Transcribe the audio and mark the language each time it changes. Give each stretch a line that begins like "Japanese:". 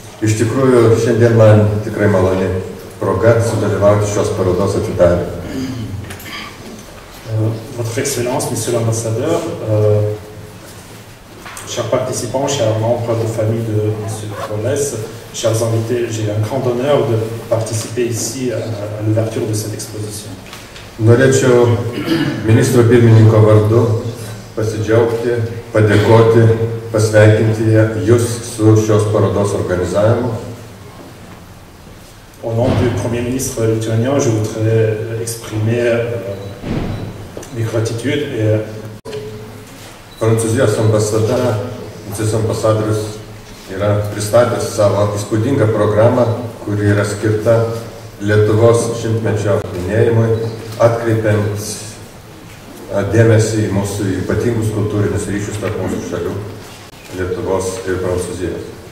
Lithuanian: Iš tikrųjų, šiandien man tikrai maloni proga sudalyvauti šios parodos atidarymą.
French: Votre Excellence, Monsieur l'Ambassadeur, chers participants, chers membres de famille de Monsieur Polès, chers invités, j'ai un grand honneur de participer ici à l'ouverture de cette exposition.
Lithuanian: Norėčiau ministro pirmininko vardu pasidžiaugti, padėkoti, pasveikinti jūs su šios parodos organizavimu.
French: Au nom du premier ministre lituanien, je voudrais exprimer mes gratitudes et
Lithuanian: Prancūzijos ambasadorius yra pristatęs savo įspūdingą programą, kuri yra skirta Lietuvos šimtmečio minėjimui, atkreipiant dėmesį į mūsų ypatingus kultūrinius ryšius tarp mūsų šalių Lietuvos ir Prancūzijos.